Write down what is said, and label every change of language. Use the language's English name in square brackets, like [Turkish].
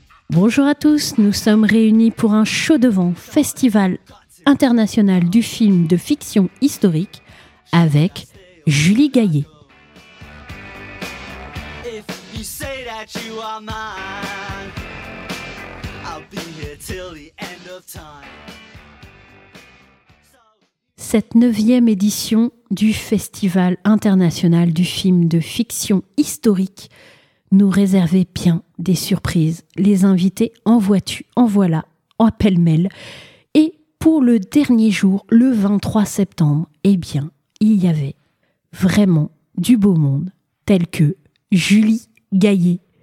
[French] Bonjour à tous, nous sommes réunis pour un chaud devant Festival international du film de fiction historique avec Julie Gayet. [English] If you say that you are mine, I'll be here till the end of time. [French] Cette 9e édition du Festival international du film de fiction historique nous réservait bien des surprises. Les invités en vois-tu, en voilà, en pêle-mêle. Et pour le dernier jour, le 23 septembre, eh bien, il y avait vraiment du beau monde, tel que Julie Gayet.